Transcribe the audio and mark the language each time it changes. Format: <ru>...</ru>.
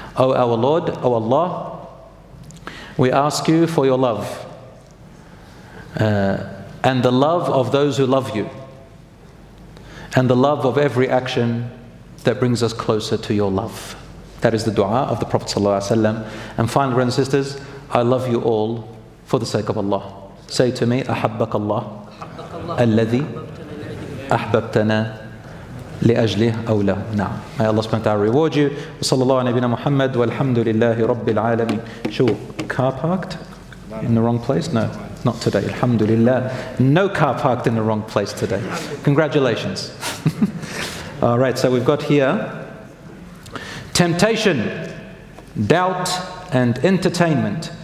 <en>Oh our Lord, oh Allah, we ask you for your love and the love of those who love you and the love of every action that brings us closer to your love. That is the dua of the Prophet sallallahu alaihi wasallam. And finally, brothers and sisters, I love you all for the sake of Allah. Say to me,</en> <ar>أحبك الله الذي أحببتنا لأجله أو له. نعم.</ar> <en>May Allah subhanahu wa ta'ala reward you.</en> <ar>وصلى الله على نبينا محمد والحمد لله رب العالمين.</ar> <en>Show car parked in the wrong place? No, not today. Alhamdulillah. No car parked in the wrong place today. Congratulations. All right, so we've got here temptation, doubt, and entertainment.</en>